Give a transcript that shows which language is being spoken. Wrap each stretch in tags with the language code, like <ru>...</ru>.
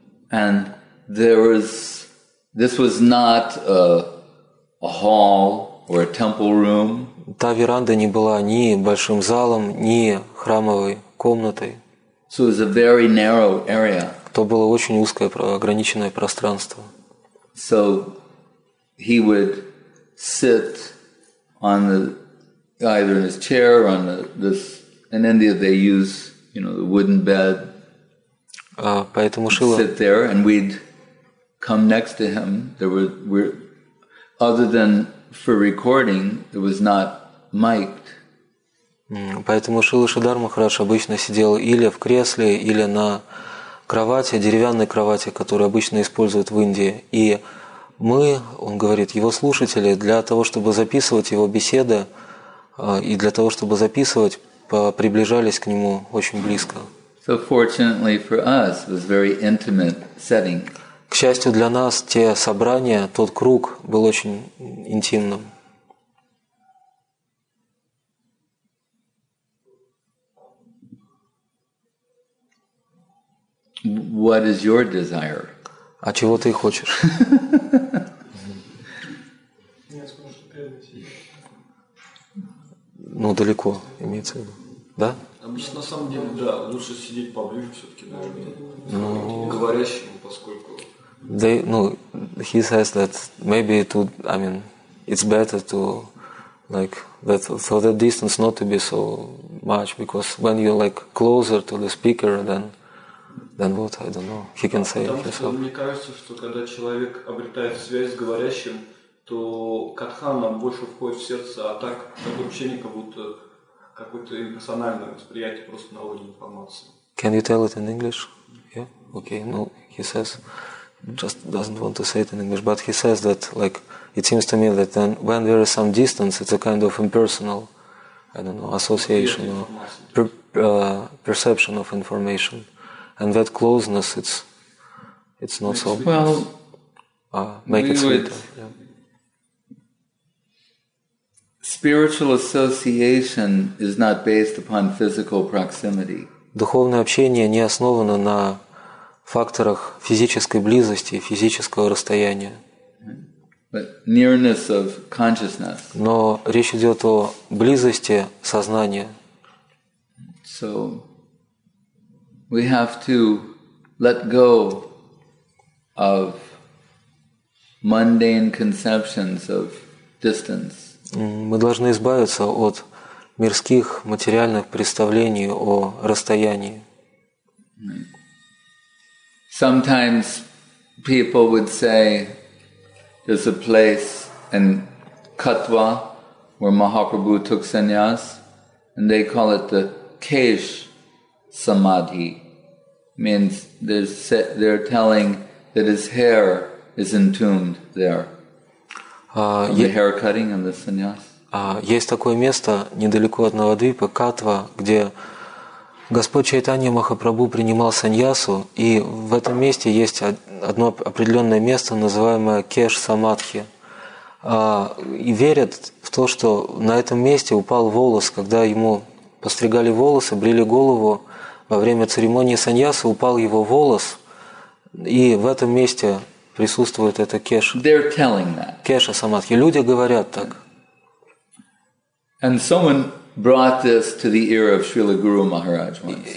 <en>And there was, this was not a hall or a temple room.</en> <ru>Та веранда не была ни большим залом, ни храмовой комнатой.</ru> <en>So it was a very narrow area.</en> <ru>То было очень узкое ограниченное пространство.</ru> <en>So he would sit on the either in his chair or on the, this in India they use, you know, the wooden bed.</en> <ru>Поэтому Шрила</ru> <en>sit there and we'd come next to him. There were other than for recording, it was not mic'd.</en> <ru>Поэтому Шрила Шридхара Махарадж обычно сидел или в кресле, или на кровати, деревянной кровати, которую обычно используют в Индии. И мы, он говорит, его слушатели, для того, чтобы записывать его беседы и для того, чтобы записывать, приближались к нему очень близко.</ru> <en>So fortunately for us, it was very intimate setting.</en> <ru>К счастью для нас, те собрания, тот круг был очень интимным.</ru> <en>What is your desire?</en> <ru>А чего ты хочешь? Ну, далеко, имеется в виду. Да? Обычно, на самом деле, да, лучше сидеть поближе все-таки, наверное, говорящему, поскольку...</ru> <en>They, ну, he says that maybe it would, I mean, it's better to, like, that for that distance not to be so much, because when you're, like, closer to the speaker, then what, I don't know, he can say himself.</en> <ru>Потому что мне кажется, что когда человек обретает связь с говорящим, то катхана больше входит в сердце, а так такое ощущение, как будто какое-то эмоциональное восприятие просто на уровне информации.</ru> <en>Can you tell it in English? Yeah? Okay. No, he says, just doesn't want to say it in English, but he says that, like, it seems to me that then when there is some distance, it's a kind of impersonal, I don't know, association or perception of information. And that closeness, it's not so. Well, make it sweeter. Spiritual association is not based upon physical proximity.</en> <ru>Духовное общение не основано на факторах физической близости, физического расстояния.</ru> <en>But nearness of consciousness.</en> <ru>Но речь идет о близости сознания.</ru> <en>So we have to let go of mundane conceptions of distance.</en> <ru>Мы должны избавиться от мирских материальных представлений о расстоянии.</ru> <en>Sometimes people would say there's a place in Katwa where Mahaprabhu took sannyas, and they call it the Kesh Samadhi. Means they're telling that his hair is entombed there. The hair cutting and the sannyas.</en> <ru>Есть такое место недалеко от Навадвипа, Катва, где Господь Чайтанья Махапрабху принимал саньясу, и в этом месте есть одно определенное место, называемое Кеш Самадхи. И верят в то, что на этом месте упал волос, когда ему постригали волосы, брили голову, во время церемонии саньяса упал его волос, и в этом месте присутствует эта кеша.</ru> <en>They're telling that.</en> <ru>Кеша самадхи. Люди говорят так.</ru> <en>And someone brought this to the ear of Srila Guru Maharaj once.</en>